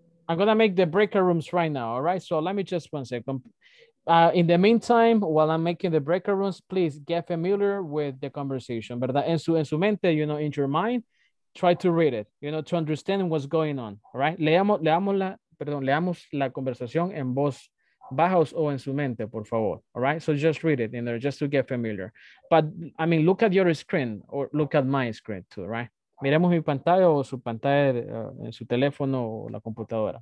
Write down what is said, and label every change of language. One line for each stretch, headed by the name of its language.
English: I'm going to make the breakout rooms right now, all right? So let me just one second. In the meantime, while I'm making the breakout rooms, please get familiar with the conversation, ¿verdad?
Spanish: En su mente,
English: you know, in your mind, try to read it, you know, to understand what's going on, all right?
Spanish: Leamos la conversación en voz baja o en su mente, por favor,
English: all right? So just read it in there just to get familiar. But, I mean, look at your screen or look at my screen too, right?
Spanish: Miremos mi pantalla o su pantalla en su teléfono o la computadora.